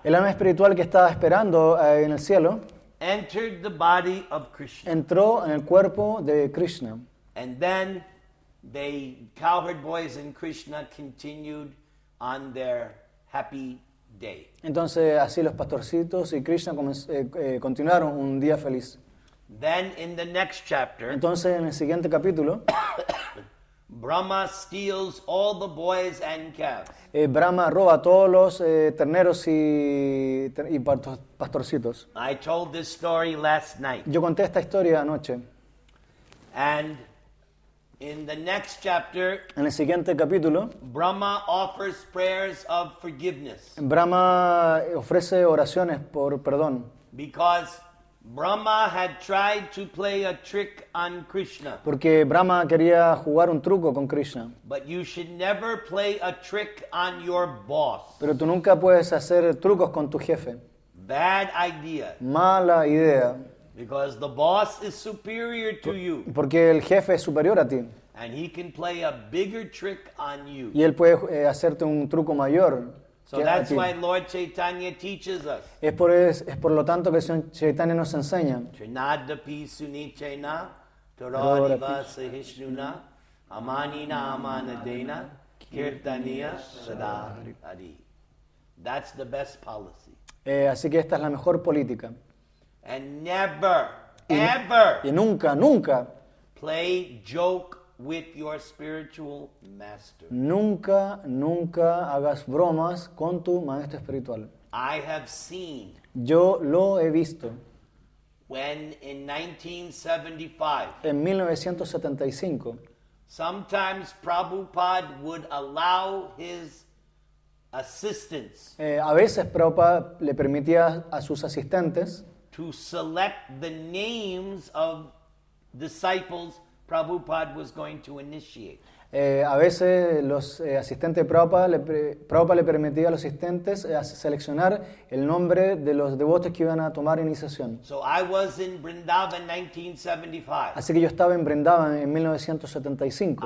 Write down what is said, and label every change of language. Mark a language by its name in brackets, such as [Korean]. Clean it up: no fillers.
[Spanish] El alma espiritual que estaba esperando en el cielo. [English] Entered the body of Krishna. [Spanish] Entró en el cuerpo de Krishna. [English] And then the cowherd boys and Krishna continued on their happy day. [Spanish] Entonces así los pastorcitos y Krishna continuaron un día feliz. [English] Then in the next chapter. [Spanish] Entonces en el siguiente capítulo. [English] Brahma steals all the boys and calves. [Spanish] Brahma roba todos los terneros y pastorcitos. [English] I told this story last night. [Spanish] Yo conté esta historia anoche. [English] And in the next chapter, [Spanish] en el siguiente capítulo, [English] Brahma offers prayers of forgiveness. [Spanish] Brahma ofrece oraciones por perdón. [English] Because Brahma had tried to play a trick on Krishna. [Spanish] Porque Brahma quería jugar un truco con Krishna. [English] But you should never play a trick on your boss. [Spanish] Pero tú nunca puedes hacer trucos con tu jefe. [English] Bad idea. [Spanish] Mala idea. [English] Because the boss is superior to you. [Spanish] Porque el jefe es superior a ti. [English] And he can play a bigger trick on you. [Spanish] Y él puede hacerte un truco mayor. [English] So that's why Lord Chaitanya teaches us. [Spanish] Es por lo tanto que Señor Chaitanya nos enseña. [Sanskrit] Trinadapi sunichena, toradiva sahishnuna, amanina amanadena, kirtaniya sadahari. [English] That's the best policy. [Spanish] Así que esta es la mejor política. [English] And never, ever. [Spanish] Y nunca, nunca. [English] Play joke with your spiritual master. [Spanish] Nunca, nunca hagas bromas con tu maestro espiritual. [English] I have seen. [Spanish] Yo lo he visto. [English] When in 1975. [Spanish] En 1975. [English] Sometimes Prabhupada would allow his assistants. [Spanish] A veces Prabhupada le permitía a sus asistentes. [English] To select the names of disciples Prabhupada was going to initiate. [Spanish] A veces los asistentes de Prabhupada le permitía a los asistentes seleccionar el nombre de los devotos que iban a tomar iniciación. [English] So I was in Vrindavan 1975. [Spanish] Así que yo estaba en Vrindavan en 1975.